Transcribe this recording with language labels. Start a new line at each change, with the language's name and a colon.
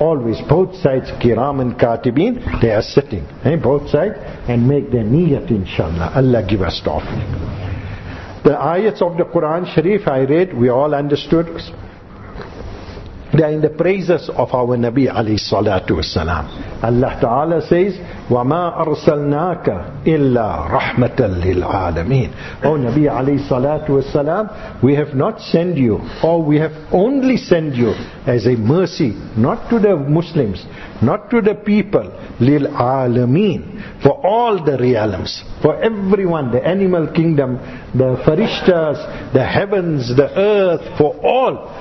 English: Always, both sides, kiram and katibin, they are sitting. Both sides, and make their niyat, inshallah. Allah give us tawfiq. The ayats of the Quran Sharif I read, we all understood. They are in the praises of our Nabi alayhi salatu wasalam. Allah Ta'ala says,
Arabic: وَمَا أَرْسَلْنَاكَ إِلَّا رَحْمَةً لِلْعَالَمِينَ.
English: O Nabi alayhi salatu wasalam, we have not sent you, or we have only sent you as a mercy, not to the Muslims, not to the people,
Arabic: لِلْعَالَمِينَ,
English: for all the realms, for everyone, the animal kingdom, the farishtas, the heavens, the earth, for all.